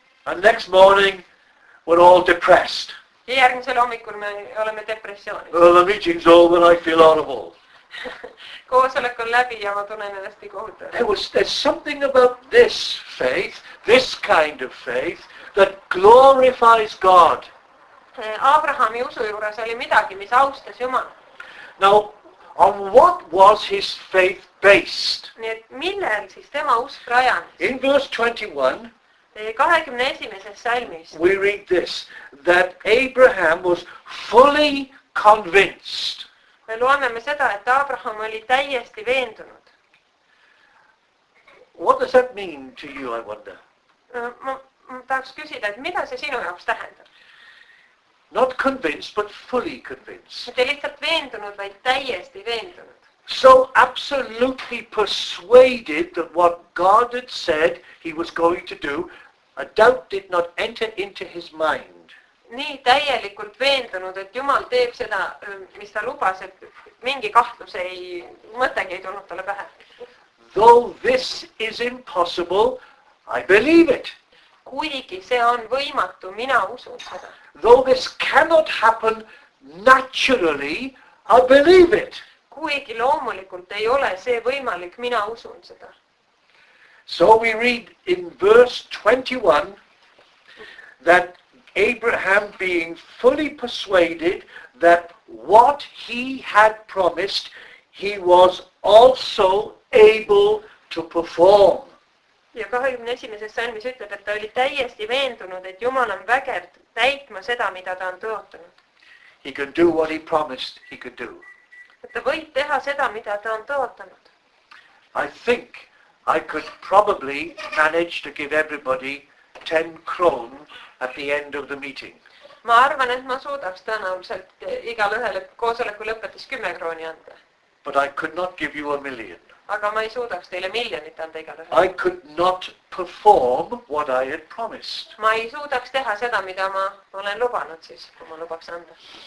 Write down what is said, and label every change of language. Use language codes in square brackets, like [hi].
[en] And next morning we're all depressed. [et] Ja järgmisel hommikul me oleme depressioonis. [en] Well, the meeting's over, I feel horrible. [et] Koosolek on läbi ja ma tunnen ennast kohutavalt. [en] There's something about this faith, this kind of faith, that glorifies God. [et] Abrahami usu juures oli midagi, mis austas Jumal. [en] Now, on what was his faith based? [et] Nii et millel siis tema usk rajanes? [en] In verse 21, [et] 21. salmis, [en] we read this, that Abraham was fully convinced. [et] Me loeme seda, et Abraham oli täiesti veendunud. [en] What does that mean to you, I wonder? [et] Ma tahaks küsida, et mida see sinu jaoks tähendab? [en] Not convinced, but fully convinced. [et] Mitte lihtsalt veendunud, vaid täiesti veendunud. [en] So absolutely persuaded that what God had said he was going to do, a doubt did not enter into his mind. [et] Nii täielikult veendunud, et Jumal teeb seda, mis ta lubas, et mingi kahtlus ei, mõtegi ei tulnud talle pähe. [en] Though this is impossible, I believe it. [et] Kuigi see on võimatu, mina usun seda. [en] Though this cannot happen naturally, I believe it. [et] Kuigi loomulikult ei ole see võimalik, mina usun seda. [en] So we read in verse 21 that Abraham being fully persuaded that what he had promised, he was also able to perform. [et] Ja 21. salmis ütleb, et ta oli täiesti veendunud, et Jumal on vägev täitma seda, mida ta on tõotanud. [en] He can do what he promised he could do. [et] Et ta võib teha seda, mida ta on tõotanud. [en] I think I could probably manage to give everybody 10 kroon at the end of the meeting. [et] Ma arvan, et ma suudaks tõenäoliselt igal ühele koosoleku lõpetas 10 krooni anda. [en] But I could not give you a million. [et] Aga ma ei suudaks teile miljonit anda igal ühel. [en] I could not perform what I had promised. [et] Ma ei suudaks teha seda, mida ma olen lubanud siis, kui ma lubaks anda.